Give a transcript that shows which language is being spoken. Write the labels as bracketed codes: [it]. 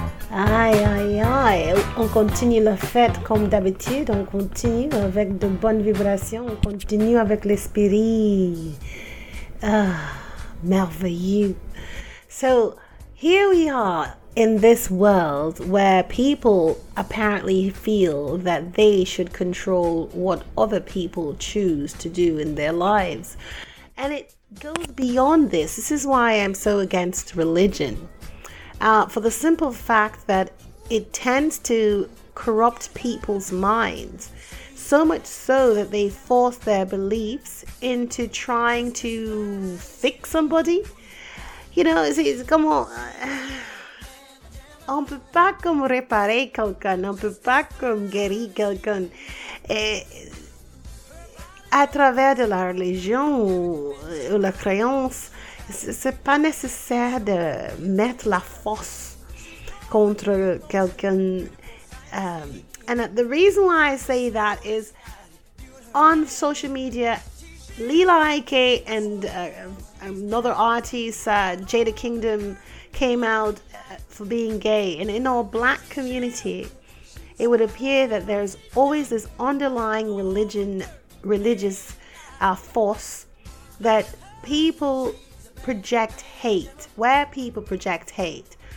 [fr] On continue la fête comme d'habitude, on continue avec de bonnes vibrations, on continue avec l'esprit. Ah, merveilleux. [en] So, here we are in this world where people apparently feel that they should control what other people choose to do in their lives. And it goes beyond this. This is why I'm so against religion. For the simple fact that it tends to corrupt people's minds, so much so that they force their beliefs into trying to fix somebody. You know, it's [fr] como, on peut pas comme réparer quelqu'un, on peut pas comme guérir quelqu'un. À travers de la religion ou la croyance, c'est pas nécessaire de mettre la force contre quelqu'un. [en] And the reason why I say that is on social media, Lila IK and another artist, Jada Kingdom, came out for being gay. And in our black community, it would appear that there's always this underlying religious force that people project hate, where people project hate.